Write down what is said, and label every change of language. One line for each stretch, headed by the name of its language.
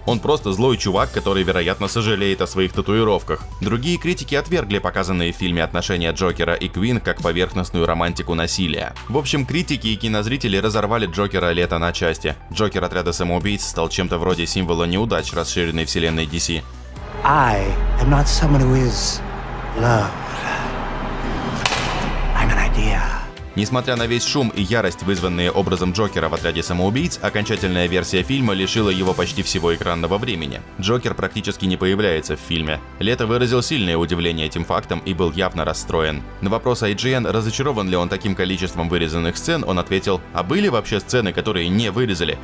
Russian: Он просто злой чувак, который, вероятно, сожалеет о своих татуировках. Другие критики отвергли показанные в фильме отношения Джокера и Квинн как поверхностную романтику насилия. В общем, критики и кинозрители разорвали Джокера Лето на части. Джокер «Отряда самоубийц» стал чем-то вроде символа неудач расширенной вселенной DC.
English: I am not someone who is loved. I'm an idea.
Russian: Несмотря на весь шум и ярость, вызванные образом Джокера в «Отряде самоубийц», окончательная версия фильма лишила его почти всего экранного времени. Джокер практически не появляется в фильме. Лето выразил сильное удивление этим фактом и был явно расстроен. На вопрос IGN, разочарован ли он таким количеством вырезанных сцен, он ответил: «А были вообще сцены, которые не вырезали?